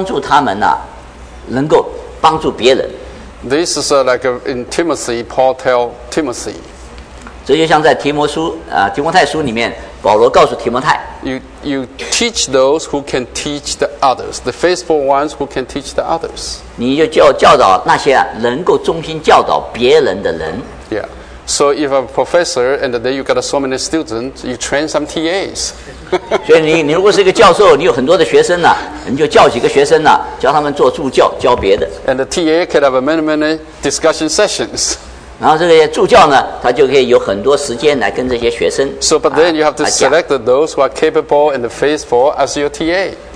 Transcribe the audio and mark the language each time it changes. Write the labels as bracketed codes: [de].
[zh] 然后呢，这些呢，他能够得着帮助的，你就帮助他们呢，能够帮助别人。 [en] This is like in Timothy, Paul tell Timothy. [zh] 这就像在提摩太书里面，保罗告诉提摩太。 [en] You teach those who can teach the others, the faithful ones who can teach the others. [zh] 你就教导那些能够忠心教导别人的人。 [en] Yeah. So if a professor and then you got so many students, you train some TAs. [zh] 所以你如果是一个教授，你有很多的学生呢，你就教几个学生呢，教他们做助教，教别的。 [en] And the TA can have many discussion sessions. [zh] 然后这些助教呢，他就可以有很多时间来跟这些学生。 [en] So but then you have to select those who are capable and faithful as your TA.